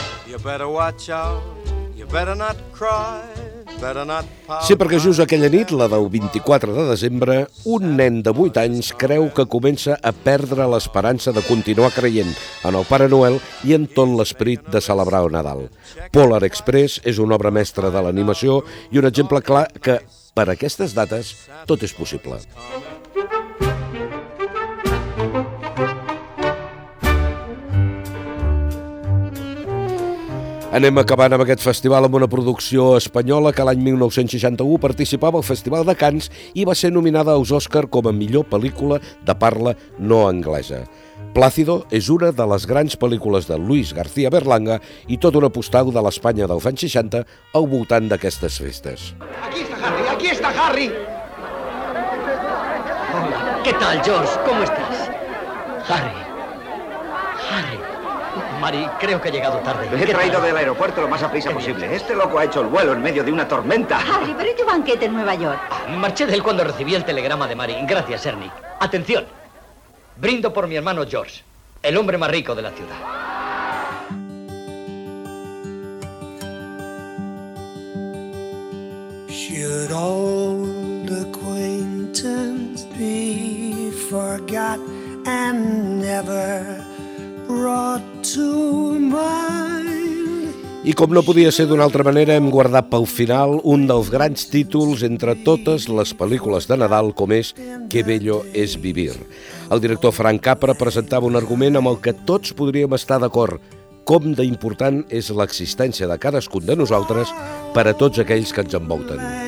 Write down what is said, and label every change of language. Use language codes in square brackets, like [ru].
[en] You better watch out, you better not cry. [ca] Sí, perquè just aquella nit, la del 24 de desembre, un nen de 8 anys creu que comença a perdre l'esperança de continuar creient en el Pare Noel i en tot l'esperit de celebrar el Nadal. Polar Express és una obra mestra de l'animació i un exemple clar que, per aquestes dates, tot és possible. Anem acabant amb aquest festival amb una producció espanyola que l'any 1961 participava al Festival de Cannes i va ser nominada als Òscar com a millor pel·lícula de parla no anglesa. Plácido és una de les grans pel·lícules de Luis García Berlanga i tot un apostau de l'Espanya dels anys 60 al voltant d'aquestes festes. [es] Aquí está Harry, aquí está Harry. Hola, ¿qué tal, George? ¿Cómo estás? Harry. Mari, creo que ha llegado tarde. Me he traído del aeropuerto lo más a prisa posible. Este loco ha hecho el vuelo en medio de una tormenta. Harry, pero ¿y tu banquete en Nueva York? Marché de él cuando recibí el telegrama de Mari. Gracias, Ernie. Atención. Brindo por mi hermano George, el hombre más rico de la ciudad. [en] Should old acquaintance be forgot and never brought to mind. [ca] I com no podia ser d'una altra manera, hem guardat pel final un dels grans títols entre totes les pel·lícules de Nadal, com és Qué bello es vivir. El director Frank Capra presentava un argument amb el que tots podríem estar d'acord: com d'important és l'existència de cadascun de nosaltres per a tots aquells que ens envolten.